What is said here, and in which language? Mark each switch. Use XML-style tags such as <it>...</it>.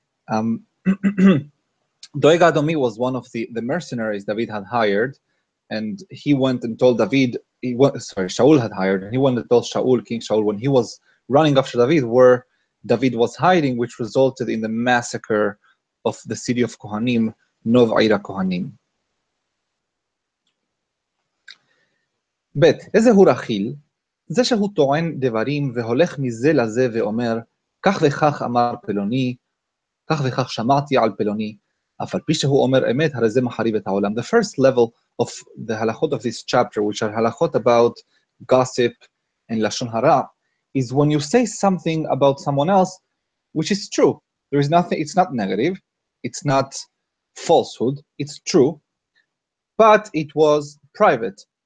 <en>Doeg Adomi was one of the mercenaries David had hired, and he went and told David, Shaul had hired, and he went and told Shaul, King Shaul, when he was running after David, where David was hiding, which resulted in the massacre of the city of Kohanim, Nov Aira Kohanim.</en> <he>Bet, ezehu rachil, zeshehu toen devarim veholech mize laze veomer, כך וכך אמר פלוני, כך וכך שמעתי על פלוני, אף על פי שהוא אומר אמת, הרי זה מחריב את העולם.</he> <en>The first level of the halachot of this chapter, which are halachot about gossip and lashon hara, is when you say something about someone else, which is true. There is nothing, it's not negative, it's not falsehood, it's true, but it was private.</en>